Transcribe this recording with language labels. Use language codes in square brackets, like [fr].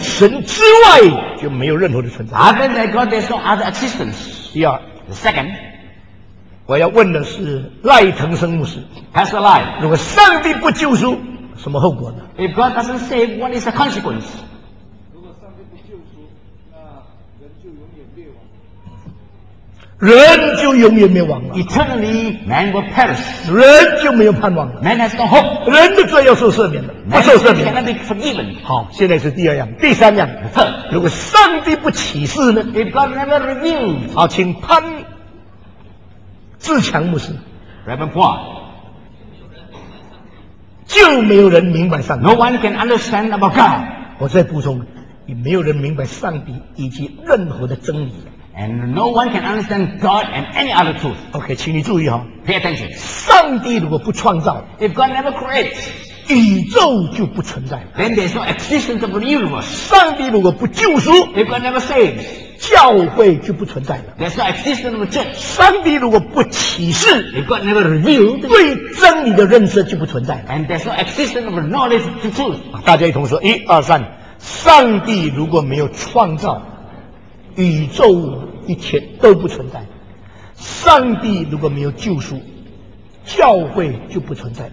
[zh] 神之外就没有任何的存在 [en] Other than God there's no other existence. [zh] 第二 [en] The second [zh] 我要问的是赖腾生牧师 [en] Pastor Lai [zh] 如果上帝不救赎什么后果呢 [en] If God doesn't save what is the consequence [zh] 如果上帝不救赎那人就永远灭亡人就永远灭亡了。 [en] Eternally, man will perish. [zh] 人就没有盼望了。 [en] Man has no hope. [zh] 人的罪要受赦免了，不受赦免。 [en] Cannot be forgiven. [zh] 好，现在是第二样，第三样。如果上帝不启示呢 [en] ？If God never reveals. [zh] 好，请潘自强牧师。 [en] Reverend Paul. [zh] 就没有人明白上帝。 [en] No one can understand about God. [zh] 我再补充，也没有人明白上帝以及任何的真理。 [en] And no one can understand God and any other truth. [zh] Okay, 请你注意哦。 [en] Pay attention. [zh] 上帝如果不创造， [en] if God never creates, [zh] 宇宙就不存在。 [en] Then there's no existence of the universe. [zh] 上帝如果不救赎， [en] if God never saves, [zh] 教会就不存在了。 [en] There's no existence of the church. [zh] 上帝如果不启示， [en] if God never revealed, [zh] 对真理的认识就不存在了。 [en] And there's no existence of the knowledge of the truth. [zh] 大家一同说，一二三，上帝如果没有创造，宇宙一切都不存在。上帝如果没有救赎，教会就不存在。